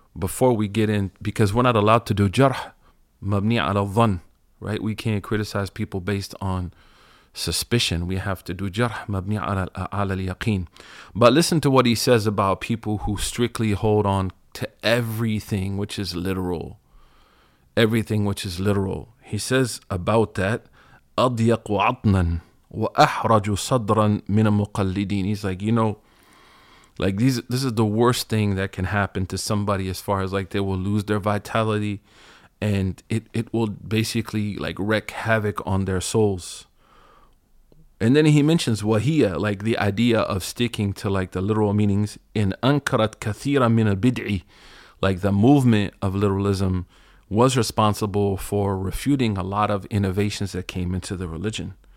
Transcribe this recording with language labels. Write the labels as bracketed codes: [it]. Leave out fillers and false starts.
[en] before we get in, because we're not allowed to do jarh mabni ala dhan, right? We can't criticize people based on suspicion. We have to do jarh mabni ala al-yaqeen. But listen to what he says about people who strictly hold on to everything which is literal. Everything which is literal. [ar] He says about that, أَضْيَقُ عَطْنًا وَأَحْرَجُ صَدْرًا مِنَ الْمُقَلِّدِينَ. [en] He's like, you know, like this is the worst thing that can happen to somebody, as far as like they will lose their vitality and it will basically like wreak havoc on their souls. And then he mentions wahiya, like the idea of sticking to like the literal meanings, in ankarat kathira min al-bid'i, like the movement of literalism was responsible for refuting a lot of innovations that came into the religion.